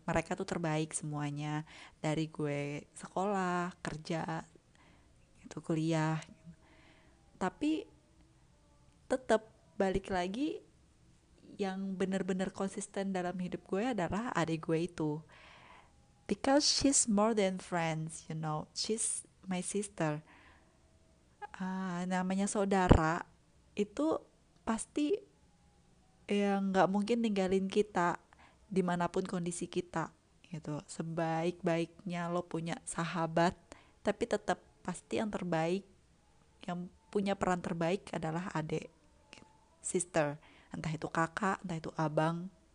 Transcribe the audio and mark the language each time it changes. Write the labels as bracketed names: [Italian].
[Indonesian] Mereka tuh terbaik semuanya. Dari gue sekolah, kerja, itu kuliah. Tapi tetap balik lagi yang benar-benar konsisten dalam hidup gue adalah adik gue itu. [English] Because she's more than friends, you know. She's my sister. [Indonesian] Namanya saudara itu pasti yang nggak mungkin ninggalin kita dimanapun kondisi kita gitu. Sebaik-baiknya lo punya sahabat, tapi tetap pasti yang terbaik, yang punya peran terbaik adalah adik, sister, entah itu kakak, entah itu abang.